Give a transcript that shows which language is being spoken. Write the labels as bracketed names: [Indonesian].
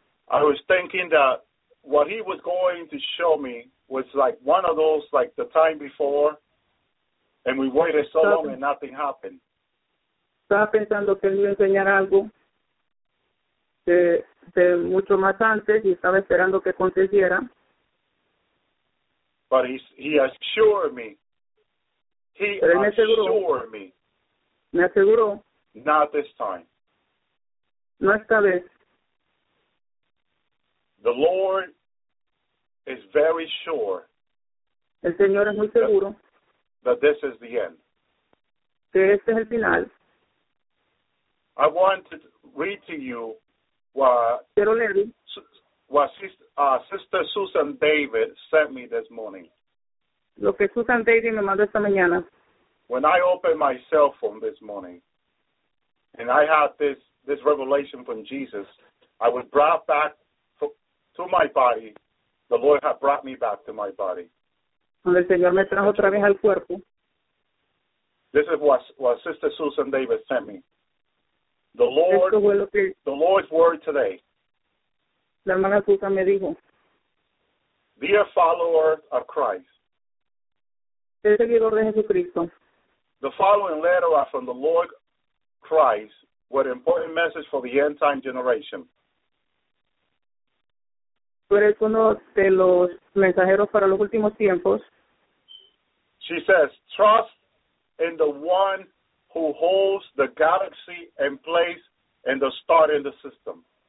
[English] I was thinking that what he was going to show me was like one of those, like the time before, and we waited so long and nothing happened. [Spanish] Estaba pensando que él iba a enseñar algo de mucho más antes y estaba esperando que aconteciera. [English] But he assured me. He [Spanish] me aseguró. [English] Not this time. [Spanish] No esta vez. [English] The Lord is very sure. [Spanish] El Señor es muy seguro. [English] That this is the end. [Spanish] Que este es el final. [English] I want to read to you what Sister Susan David sent me this morning. [Spanish] Lo que Susan David me mandó esta mañana. [English] When I opened my cell phone this morning, and I had this revelation from Jesus, I was brought back to my body. The Lord had brought me back to my body. [Spanish] Cuando el Señor me trajo otra vez al cuerpo. [English] This is what Sister Susan David sent me. The Lord's word today. [Spanish] La hermana Susan me dijo. [English] Dear follower of Christ. [Spanish] El seguidor de Jesucristo. [English] The following letter are from the Lord Christ with an important message for the end time generation. [Spanish] Tú eres uno de los mensajeros para los últimos tiempos. [English] She says, trust in the one who holds the galaxy in place and the star in the system.